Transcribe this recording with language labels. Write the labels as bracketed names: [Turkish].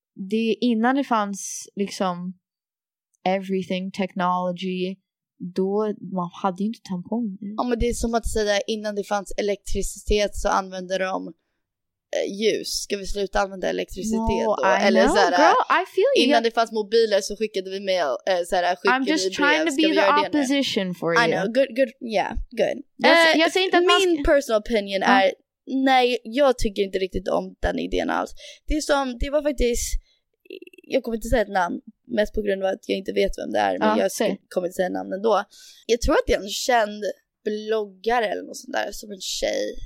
[Swedish] Det innan det fanns liksom [English] everything, technology, [Swedish] då man hade ju inte tampong. Ja, men det är som att säga innan det fanns elektricitet så använde de... ljus. Ska vi sluta använda elektricitet då? I eller så här, girl, innan det fanns mobiler så skickade vi mail. [English] I'm just trying to be the opposition for you. I know. Good. Yeah, good. [Swedish] Jag säger inte att min [English] personal opinion [Swedish] är, nej, jag tycker inte riktigt om den idén alls. Det är som, det var faktiskt, jag kommer inte säga ett namn, mest på grund av att jag inte vet vem det är, men jag kommer inte säga namn ändå. Jag tror att det är en känd bloggare eller något sånt där, som en tjej.